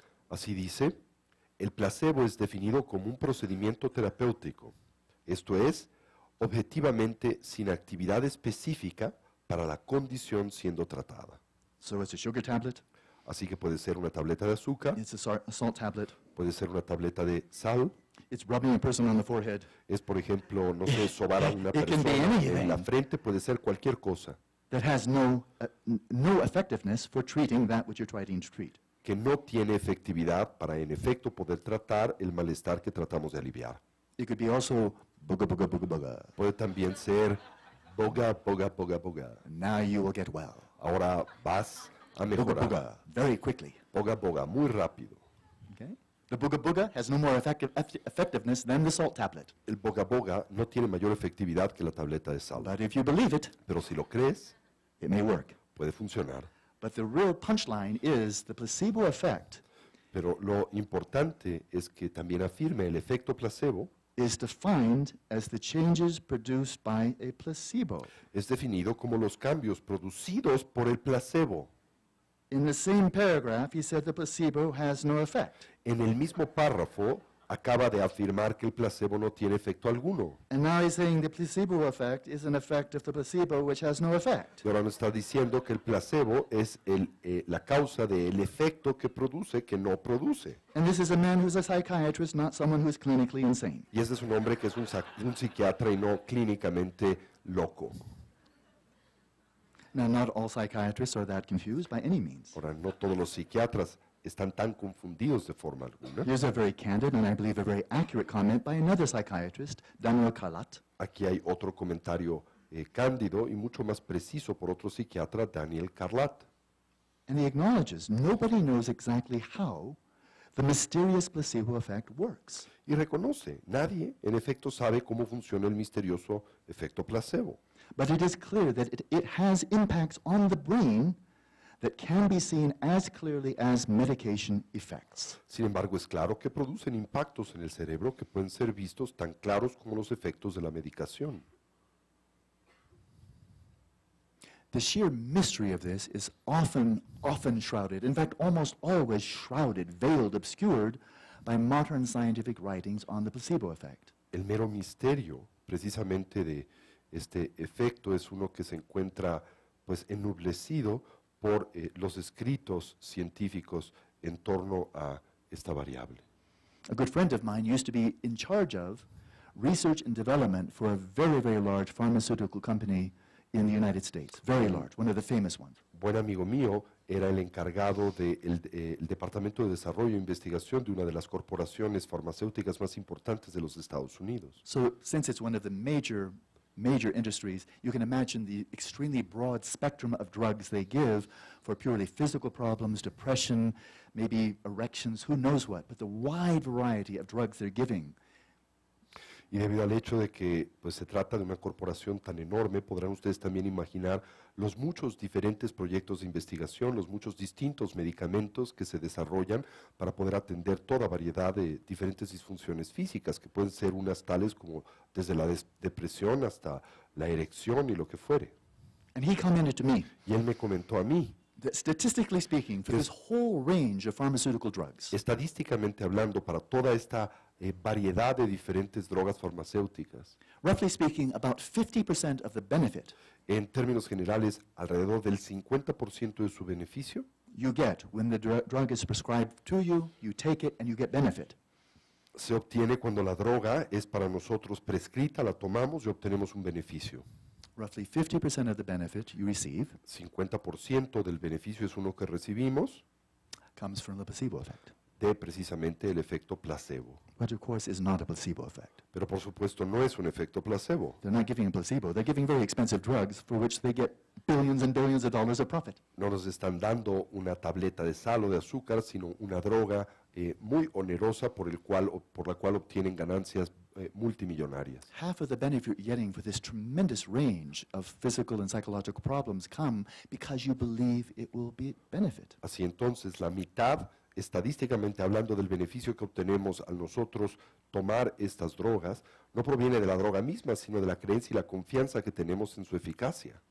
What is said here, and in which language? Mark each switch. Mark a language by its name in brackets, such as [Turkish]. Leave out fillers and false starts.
[Spanish] Así dice, el placebo es definido como un procedimiento terapéutico, esto es, objetivamente sin actividad específica para la condición siendo tratada. [English] So it's a sugar tablet. [Spanish] Así que puede ser una tableta de azúcar. [English] It's a salt tablet. [Spanish] Puede ser una tableta de sal. [English] It's rubbing a person on the forehead. [Spanish] Es, por ejemplo, no sé, sobar a una persona en la frente. Puede ser cualquier cosa. [English] That has no effectiveness for treating that which you're trying to treat. [Spanish] Que no tiene efectividad para, en efecto, poder tratar el malestar que tratamos de aliviar. [English] It could be also boga, boga, boga, boga. [Spanish] Puede también ser boga, boga, boga, boga. [English] Now you will get well. [Spanish] Ahora vas a mejorar. [English] Boga, boga, very quickly. [Spanish] Boga, boga, muy rápido. [English] Okay. The boga, boga has no more effectiveness than the salt tablet. [Spanish] El boga, boga no tiene mayor efectividad que la tableta de sal. [English] But if you believe it, [Spanish] pero si lo crees, [English] it may work. [Spanish] Puede funcionar. [English] But the real punchline is the placebo effect. [Spanish] Pero lo importante es que también afirme el efecto placebo. [English] Is defined as the changes produced by a placebo. [Spanish] Es definido como los cambios producidos por el placebo. [English] In the same paragraph, he said the placebo has no effect. [Spanish] En el mismo párrafo, acaba de afirmar que el placebo no tiene efecto alguno. [English] And now he's saying the placebo effect is an effect of the placebo which has no effect. [Spanish] Y ahora nos está diciendo que el placebo es la causa del efecto que produce, que no produce. [English] And this is a man who's a psychiatrist, not someone who's clinically insane. [Spanish] Y este es un hombre que es un psiquiatra y no clínicamente loco. [English] Now, not all psychiatrists are that confused by any means. [Spanish] Ahora, no todos los psiquiatras están tan confundidos de forma alguna. [English] Here's a very candid and I believe a very accurate comment by another psychiatrist, Daniel Calat. [Spanish] Aquí hay otro comentario cándido y mucho más preciso por otro psiquiatra, Daniel Calat. [English] And he acknowledges nobody knows exactly how the mysterious placebo effect works. [Spanish] Y reconoce, nadie en efecto sabe cómo funciona el misterioso efecto placebo. [English] But it is clear that it has impacts on the brain that can be seen as clearly as medication effects. [Spanish] Sin embargo, es claro que producen impactos en el cerebro que pueden ser vistos tan claros como los efectos de la medicación. [English] The sheer mystery of this is often, often shrouded, in fact, almost always shrouded, veiled, obscured by modern scientific writings on the placebo effect. [Spanish] El mero misterio, precisamente, de este efecto es uno que se encuentra, pues, ennublecido por los escritos científicos en torno a esta variable. [English] A good friend of mine used to be in charge of research and development for a very, very large pharmaceutical company in the United States. Very large, one of the famous ones. [Spanish] Buen amigo mío era el encargado del Departamento de Desarrollo e Investigación de una de las corporaciones farmacéuticas más importantes de los Estados Unidos. [English] So, since it's one of the major industries, you can imagine the extremely broad spectrum of drugs they give for purely physical problems, depression, maybe erections, who knows what, but the wide variety of drugs they're giving. [Spanish] Y debido al hecho de que pues, se trata de una corporación tan enorme, podrán ustedes también imaginar los muchos diferentes proyectos de investigación, los muchos distintos medicamentos que se desarrollan para poder atender toda variedad de diferentes disfunciones físicas, que pueden ser unas tales como desde la depresión hasta la erección y lo que fuere. [English] And he commented to me. [Spanish] Y él me comentó a mí. [English] Statistically speaking, for this whole range of pharmaceutical drugs. [Spanish] Estadísticamente hablando, para toda esta variedad de diferentes drogas farmacéuticas. [English] Roughly speaking, about 50% of the benefit. [Spanish] En términos generales, alrededor del 50% de su beneficio. [English] You get when the drug is prescribed to you, you take it and you get benefit. [Spanish] Se obtiene cuando la droga es para nosotros prescrita, la tomamos y obtenemos un beneficio. [English] Roughly 50% of the benefit you receive. [Spanish] 50% del beneficio es uno que recibimos. [English] Comes from the placebo effect. [Spanish] De precisamente el efecto placebo. [English] But of course, is not a placebo effect. [Spanish] Pero por supuesto no es un efecto placebo. [English] They're not giving a placebo. They're giving very expensive drugs for which they get billions and billions of dollars of profit. [Spanish] No nos están dando una tableta de sal o de azúcar, sino una droga muy onerosa por la cual obtienen ganancias. Multimillonarias. [English] Half of the benefit you're getting for this tremendous range of physical and psychological problems come because you believe it will be benefit. [Spanish] Así entonces, la mitad, estadísticamente hablando, del beneficio que obtenemos al nosotros tomar estas drogas, no proviene de la droga misma, sino de la creencia y la confianza que tenemos en su eficacia.